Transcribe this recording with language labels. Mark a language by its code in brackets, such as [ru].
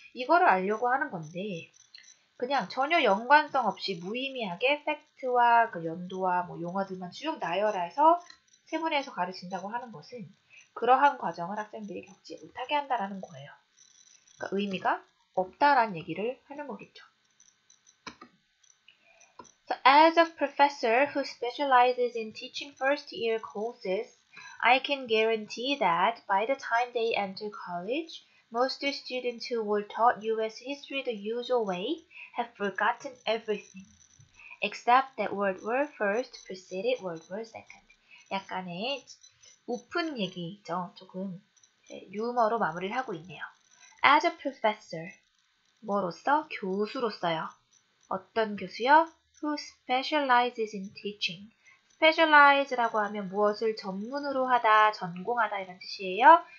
[ko] 이거를 알려고 하는 건데, 그냥 전혀 연관성 없이 무의미하게 팩트와 그 연도와 뭐 용어들만 쭉 나열해서 세분해서 가르친다고 하는 것은 그러한 과정을 학생들이 겪지 못하게 한다라는 거예요. 그러니까 의미가 없다라는 얘기를 하는 거겠죠. [en] So as a professor who specializes in teaching first year courses, I can guarantee that by the time they enter college, most students who were taught US history the usual way have forgotten everything, except that World War First preceded World War Second. [ko] 약간의 웃픈 얘기죠. 조금 유머로 마무리를 하고 있네요. As a professor, 뭐로서? 교수로서요. 어떤 교수요? [en] Who specializes in teaching. [ko] Specialize라고 하면 무엇을 전문으로 하다, 전공하다 이런 뜻이에요.